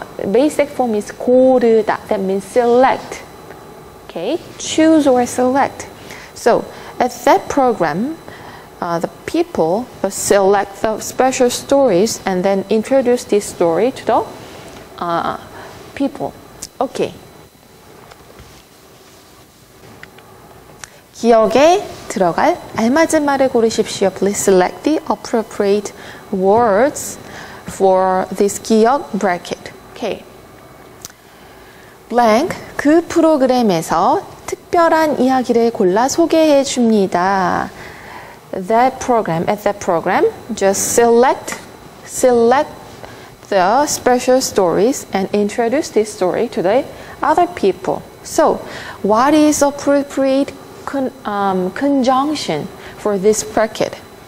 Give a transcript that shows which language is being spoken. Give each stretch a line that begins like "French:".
English: basic form is 고르다, that means select. Okay, choose or select. So at that program, the people select the special stories and then introduce this story to the people. Okay.
Korean: 기억에 들어갈 알맞은 말을 고르십시오.
English: Please select the appropriate words for this 기억 bracket. Okay. Blank.
Korean: 그 프로그램에서 특별한 이야기를 골라 소개해 줍니다.
English: At that program, just select the special stories and introduce this story to the other people. So, what is appropriate conjunction for this bracket?